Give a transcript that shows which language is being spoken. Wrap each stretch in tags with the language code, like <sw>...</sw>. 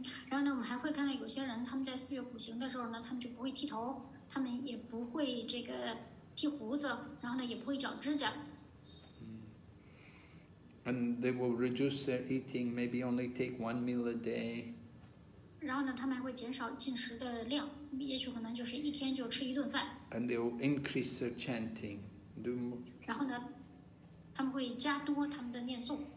<zh>然后呢，我们还会看到有些人，他们在四月苦行的时候呢，他们就不会剃头，他们也不会这个剃胡子，然后呢，也不会长指甲。</zh> <en>And they will reduce their eating, maybe only take one meal a day.</en> <zh>然后呢，他们还会减少进食的量，也许可能就是一天就吃一顿饭。</zh> <en>And they will increase their chanting.</en> <zh>然后呢，他们会加多他们的念诵。</zh>